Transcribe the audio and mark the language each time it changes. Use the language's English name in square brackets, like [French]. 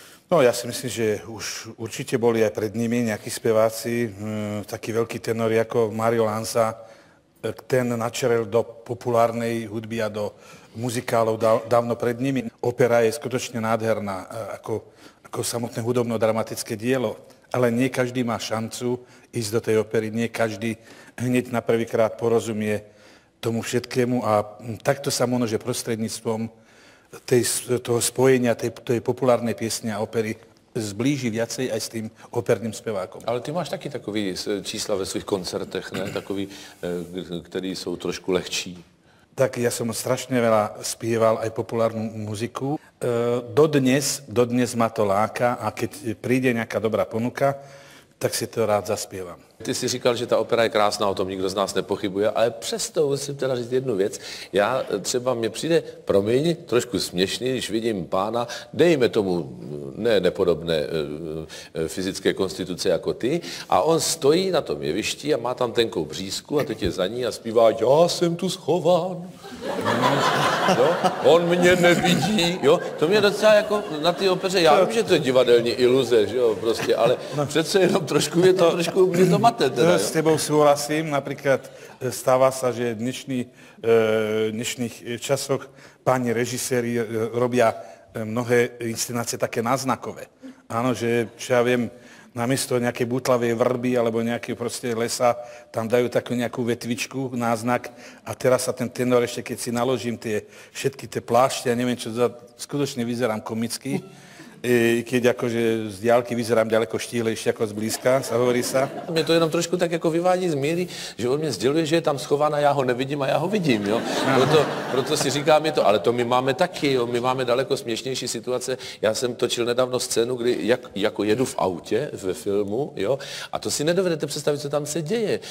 [Czech] No, já si myslím, že už určitě byli aj před nimi nějaký zpěváci, taky velký tenor jako Mario Lanza, ten načerel [Slovak] do populárnej hudby a do muzikálov [Czech] dávno před nimi. [Slovak] Opera je skutečně nádherná, jako samotné hudobno-dramatické dielo. Ale nie každý má šancu ísť do tej opery, nie každý hneď na prvýkrát porozumie tomu všetkému a takto sa možno, že prostredníctvom toho spojenia tej populárnej piesne a opery zblíži viacej aj s tým operným spevákom. [Czech] Ale ty máš taky takový čísla ve svých koncertech, ne? Takový, ktorý sú trošku lehčí. [Slovak] Tak ja som strašne veľa spieval aj populárnu muziku. Dodnes ma to láka a keď príde nejaká dobrá ponuka, tak si to rád zaspievam. [Czech] Ty si říkal, že ta opera je krásná, o tom nikdo z nás nepochybuje, ale přesto musím teda říct jednu věc. Já třeba mě přijde, promiň, trošku směšný, když vidím pána, dejme tomu nepodobné fyzické konstituce jako ty, a on stojí na tom jevišti a má tam tenkou břízku a teď je za ní a zpívá, já jsem tu schován. Jo? On mě nevidí. Jo? To mě docela jako na té opeře, já vím, že to je divadelní iluze, že jo, prostě, ale přece jenom trošku je to, trošku mě to mate. Teda, s tebou souhlasím, [Slovak] například stává se, že v dnešných časoch páni režiséri robia mnohé inscenácie také náznakové. Áno, že čo ja viem, namiesto nejakej butlavej vrby alebo nejakej proste lesa, tam dajú takú nejakú vetvičku, náznak a teraz sa ten tenor ešte, keď si naložím tie všetky tie plášte, ja neviem čo, skutočne vyzerám komicky, keď akože z diálky vyzerám ďaleko štíhlejšie ako zblízka, sa hovorí sa. [Czech] Mne to jenom trošku tak ako vyvádí z míry, že on mne sdeluje, že je tam schovaná, ja ho nevidím a ja ho vidím, jo. Proto si říkám, je to, ale to my máme taky, jo, my máme daleko směšnější situace. [Slovak] Ja som točil nedávno scénu, [Czech] kdy jako jedu v autě ve filmu, jo, a to si nedovedete představit, co tam se děje.